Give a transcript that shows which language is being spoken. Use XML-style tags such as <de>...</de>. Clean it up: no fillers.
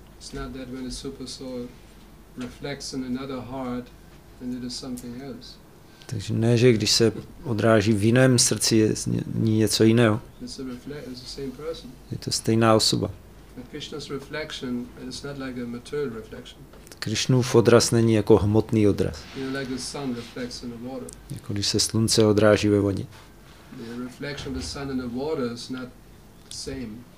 <en>It's not that when the super soul reflects in another heart. And it is something else.</en> <cs>Takže ne, že když se odráží v jiném srdci, je něco jiného.</cs> <en>It's the same person.</en> <cs>Je to stejná osoba.</cs> <en>Krishna's reflection is not like a material reflection.</en> <cs>Krishnův odraz není jako hmotný odraz.</cs> <en>You know, like the sun reflects in the water.</en> <cs>Jako když se slunce odráží ve vodě.</cs> <en>The reflection of the sun in the water is not the same.</en>